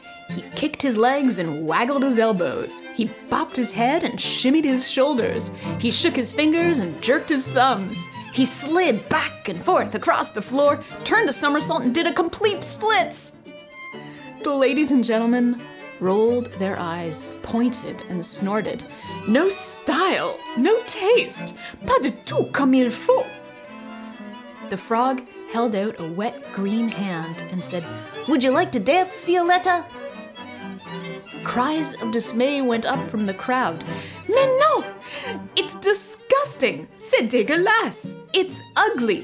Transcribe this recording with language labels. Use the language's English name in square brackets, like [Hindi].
[English] He kicked his legs and waggled his elbows. He bopped his head and shimmied his shoulders. He shook his fingers and jerked his thumbs. He slid back and forth across the floor, turned a somersault, and did a complete split. The ladies and gentlemen rolled their eyes, pointed, and snorted. No style, no taste, [French] pas du tout comme il faut. [English] The frog held out a wet green hand and said, Would you like to dance, Violetta? Cries of dismay went up from the crowd. [French] Mais non! [English] It's disgusting! [French] C'est dégueulasse! [English] It's ugly!